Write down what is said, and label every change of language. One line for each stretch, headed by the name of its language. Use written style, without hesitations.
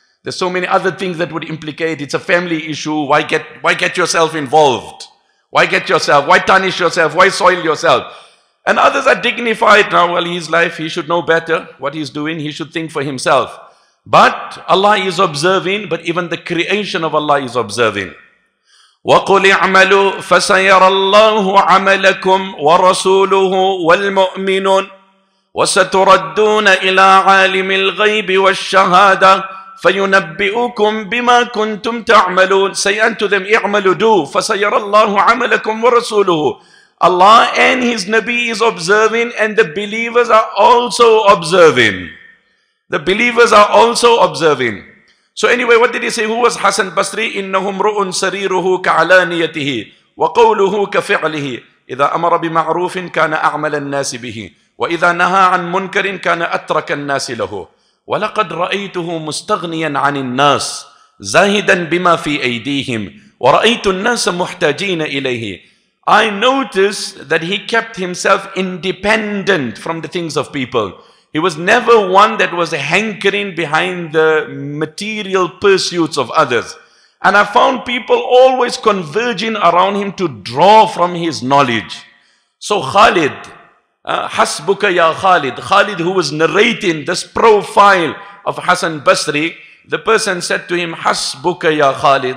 English: There's so many other things that would implicate, it's a family issue, why get yourself involved? Why get yourself, why tarnish yourself, why soil yourself? And others are dignified, now, well, his life, he should know better what he's doing, he should think for himself. But Allah is observing, but even the creation of Allah is observing.
Arabic: وَقُلِ اعْمَلُوا فَسَيَرَ اللَّهُ عَمَلَكُمْ وَرَسُولُهُ وَالْمُؤْمِنُونَ وَسَتُرَدُّونَ إِلَىٰ عَالِمِ الْغَيْبِ وَالشَّهَادَةِ فَيُنَبِّئُكُمْ بِمَا كُنْتُمْ تَعْمَلُونَ
English: Say unto them,
Arabic: اِعْمَلُوا دُو فَسَيَرَ اللَّهُ عَمَلَكُمْ وَرَسُولُهُ
English: Allah and His Nabi is observing, and the believers are also observing. The believers are also observing. So anyway, what did he say? Who was Hasan Basri?
Arabic: إِنَّهُمْ رُؤُنْ سَرِيرُهُ كَعَلَانِيَتِهِ وَقَوْلُهُ كَفِعْلِهِ إِذَا أَمَرَ بِمَعْرُوفٍ كَانَ أَعْمَلَ النَّاسِ بِهِ وَإِذَا نَهَى عَنْ مُنْكَرٍ كَانَ أَتْرَكَ النَّاسِ لَهُ وَلَقَدْ رَأَيْتُهُ مُسْتَغْنِيًا عَنِ النَّاسِ زَاهِدًا بِمَا فِي أَيْدِيهِمْ وَرَأَيْتُ النَّاسَ مُحْتَاجِينَ إِلَيْهِ
English: I noticed that he kept himself independent from the things of people. He was never one that was hankering behind the material pursuits of others. And I found people always converging around him to draw from his knowledge. So Khalid,
Arabic: Hasbuka ya Khalid.
English: Khalid, who was narrating this profile of Hasan Basri, the person said to him, Hasbuka ya Khalid.